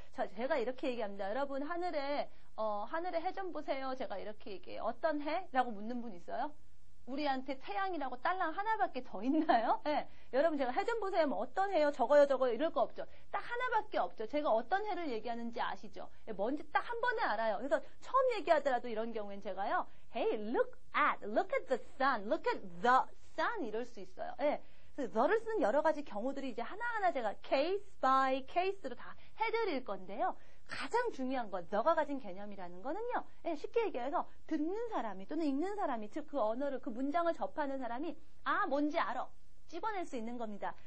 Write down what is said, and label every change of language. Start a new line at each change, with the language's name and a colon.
Korean: 자, 제가 이렇게 얘기합니다. 여러분 하늘에 하늘에 해 좀 보세요. 제가 이렇게 얘기해요. 어떤 해? 라고 묻는 분 있어요? 우리한테 태양이라고 딸랑 하나밖에 더 있나요? 예. 여러분 제가 해 좀 보세요. 뭐 어떤 해요? 저거요 저거요 이럴 거 없죠. 딱 하나밖에 없죠. 제가 어떤 해를 얘기하는지 아시죠? 예, 뭔지 딱 한 번에 알아요. 그래서 처음 얘기하더라도 이런 경우엔 제가요.
English: Hey, look at the sun, look at the sun
Korean: 이럴 수 있어요. 예. 그래서 the를 쓰는 여러 가지 경우들이 이제 하나하나 제가 case by case로 다 해드릴 건데요. 가장 중요한 건 너가 가진 개념이라는 거는요. 예, 쉽게 얘기해서 듣는 사람이 또는 읽는 사람이 즉 그 언어를 그 문장을 접하는 사람이 아 뭔지 알아 찝어낼 수 있는 겁니다.